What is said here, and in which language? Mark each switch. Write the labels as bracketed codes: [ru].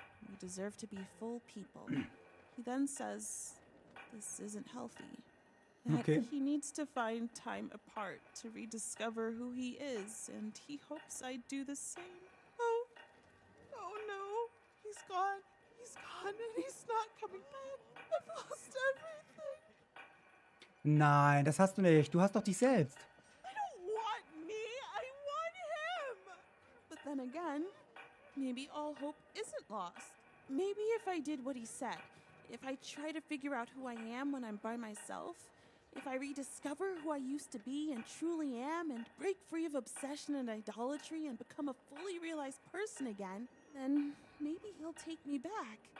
[en] We deserve to be full people. He then says, this isn't healthy. Okay. He needs to find time apart to rediscover who he is, and he hopes I'd do the same. Oh no, he's gone. He's gone, and he's not coming back. I've lost everything. [de] Nein, das hast du nicht. Du hast doch dich selbst. [en] I don't want me. I want him. But then again, maybe all hope isn't lost. Maybe if I did what he said, if I try to figure out who I am when I'm by myself... If I rediscover who I used to be and truly am and break free of obsession and idolatry and become a fully realized person again, then maybe he'll take me back.